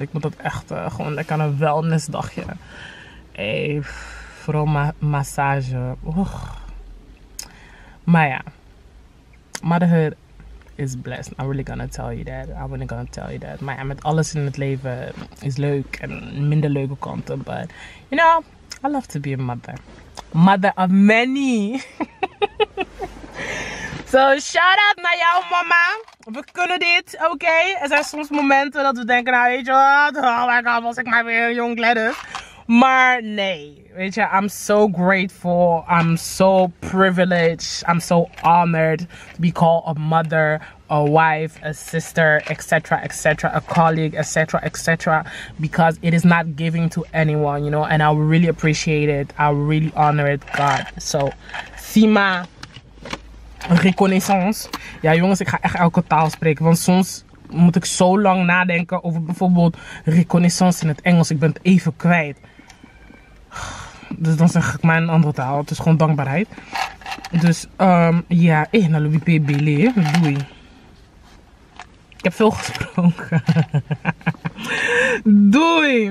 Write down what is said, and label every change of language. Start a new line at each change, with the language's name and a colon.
Dutch: Ik moet dat echt gewoon lekker aan een wellnessdagje. Hey, vooral massage. Oeh. Maar ja.
English: Motherhood is blessed. I'm really gonna tell you that. I'm really gonna tell you that.
Dutch: Maar ja, met alles in het leven is leuk. En minder leuke kanten.
English: But, you know, I love to be a mother. Mother of many. So, shout out
Dutch: naar jou, mama. We kunnen dit, okay? Er zijn soms momenten dat we denken, nou weet je wat,
English: oh my god,
Dutch: was ik maar weer jong Gladys. Maar nee, weet je,
English: I'm so grateful, I'm so privileged, I'm so honored to be called a mother, a wife, a sister, etc, etc, a colleague, etc, etc. Because it is not giving to anyone, you know, and I really appreciate it, I really honor it, God. So, Sima. Reconnaissance.
Dutch: Ja jongens, ik ga echt elke taal spreken. Want soms moet ik zo lang nadenken over bijvoorbeeld reconnaissance in het Engels. Ik ben het even kwijt. Dus dan zeg ik maar een andere taal. Het is gewoon dankbaarheid. Dus ja. Eh, naar Louis P. Billy. Doei. Ik heb veel gesproken. Doei.